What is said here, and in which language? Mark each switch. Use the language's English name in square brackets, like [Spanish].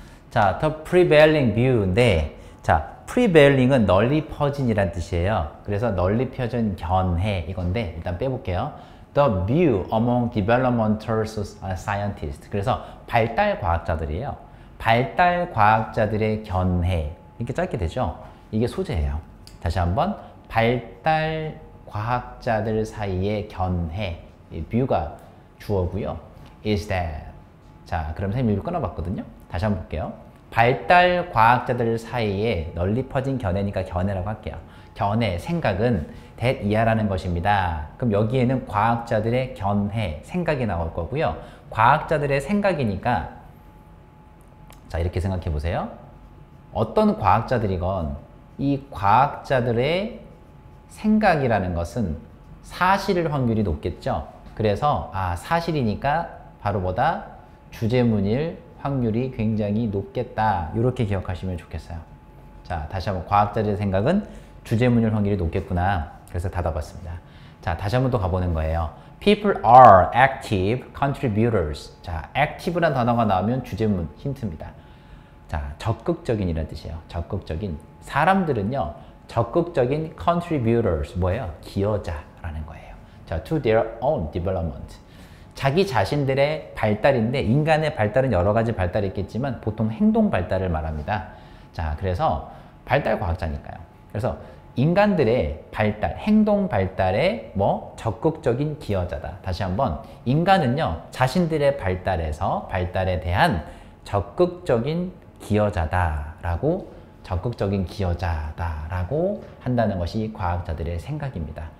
[Korean] 자, [English] the prevailing view [Korean] 인데, 자, prevailing은 널리 퍼진이란 뜻이에요. 그래서 널리 퍼진 견해 이건데, 일단 빼볼게요. [English] The view among developmental scientists. [Korean] 그래서 발달 과학자들이에요. 발달 과학자들의 견해. 이렇게 짧게 되죠? 이게 소재예요. 다시 한번, 발달 과학자들 사이의 견해. 이 view가 주어고요. [English] Is that? [Korean] 자, 그럼 선생님이 끊어봤거든요. 다시 한번 볼게요. 발달 과학자들 사이에 널리 퍼진 견해니까 견해라고 할게요. 견해, 생각은 that 이하라는 것입니다. 그럼 여기에는 과학자들의 견해, 생각이 나올 거고요. 과학자들의 생각이니까, 자, 이렇게 생각해 보세요. 어떤 과학자들이건 이 과학자들의 생각이라는 것은 사실일 확률이 높겠죠. 그래서, 아, 사실이니까 바로보다 주제문일 확률이 굉장히 높겠다. 이렇게 기억하시면 좋겠어요. 자, 다시 한번. 과학자들의 생각은 주제문일 확률이 높겠구나. 그래서 닫아봤습니다. 자, 다시 한번 또 가보는 거예요. [English] People are active contributors. [Korean] 자, active란 단어가 나오면 주제문 힌트입니다. 자, 적극적인이라는 뜻이에요. 적극적인. 사람들은요, 적극적인 contributors, 뭐예요? 기여자라는 거예요. [English] 자, to their own development. [Korean] 자기 자신들의 발달인데, 인간의 발달은 여러 가지 발달이 있겠지만, 보통 행동 발달을 말합니다. 자, 그래서 발달 과학자니까요. 그래서 인간들의 발달, 행동 발달에 뭐, 적극적인 기여자다. 다시 한번, 인간은요, 자신들의 발달에서 발달에 대한 적극적인 기여자다라고, 적극적인 기여자다라고 한다는 것이 과학자들의 생각입니다.